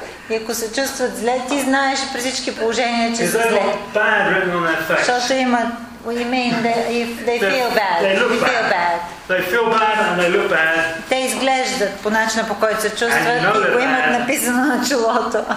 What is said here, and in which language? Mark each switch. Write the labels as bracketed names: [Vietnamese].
[Bulgarian] И ако се чувстват зле, ти знаеш при всички положения, че са зле. Защото имат... [English] What do you mean? They feel bad. They feel bad and they look bad. [Bulgarian] Те изглеждат по начина, по който се чувстват, и го имат написано на челото.